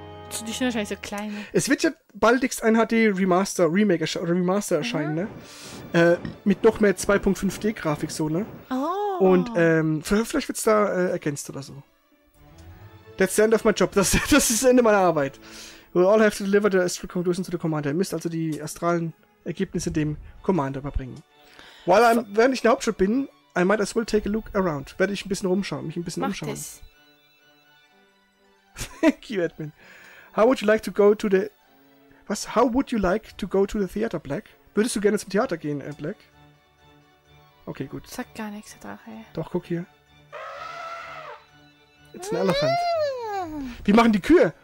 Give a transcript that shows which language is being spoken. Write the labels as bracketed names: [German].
[German] Die sind wahrscheinlich so klein. Es wird ja baldigst ein HD-Remaster, Remake oder Remaster erscheinen, ne? Mit noch mehr 2.5D-Grafik, so, ne? Oh. Und vielleicht wird es da ergänzt oder so. [English] That's the end of my job. [German] Das ist das Ende meiner Arbeit. [English] We'll all have to deliver the astral conclusion to the commander. [German] Ihr müsst also die astralen Ergebnisse dem Commander überbringen. Während ich in der Hauptstadt bin, [English] I might as well take a look around. [German] Werde ich ein bisschen rumschauen, mich ein bisschen umschauen. [English] Thank you, Edmund. How would you like to go to the... [German] Was? [English] How would you like to go to the theater, Black? [German] Würdest du gerne zum Theater gehen, Black? Okay, gut. Sag gar nichts, der Drache. Doch, guck hier. [English] It's an elephant. [German] Wie machen die Kühe?